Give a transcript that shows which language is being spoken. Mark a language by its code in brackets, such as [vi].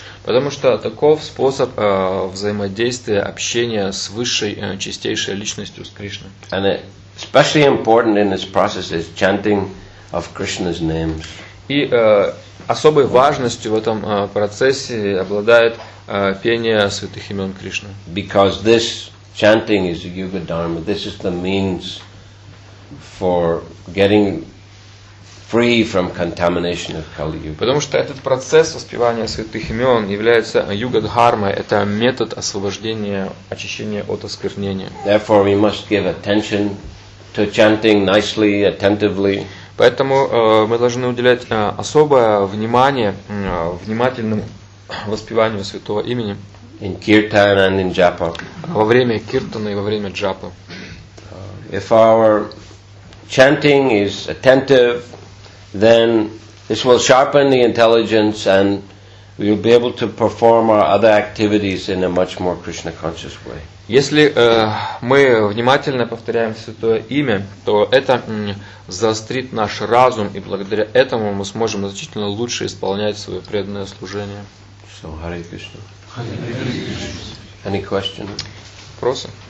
[ru] Потому что таков способ взаимодействия, общения с высшей чистейшей личностью, с Кришной. [en] And especially important in this process is chanting of Krishna's names. [ru] И особой важностью в этом процессе обладает пение святых имен Кришны. [en] Because this chanting is yuga dharma. This is the means for getting free from contamination of Kali Yuga. [ru] Потому что этот процесс воспевания святых имен является юга-дхармой, это метод освобождения, очищения от осквернения. [en] Therefore, we must give attention to chanting nicely, attentively. [ru] Поэтому мы должны уделять особое внимание внимательному воспеванию святого имени. [en] In kirtan and in japa. [ru] Во время киртана и во время джапы. [en] If our chanting is attentive, then this will sharpen the intelligence and we will be able to perform our other activities in a much more Krishna conscious way. [ru] Если мы внимательно повторяем святое имя, то это заострит наш разум, и благодаря этому мы сможем значительно лучше исполнять свое преданное служение. [en] So, Hare Krishna. Hare Krishna. Any question? [ru] Вопросы?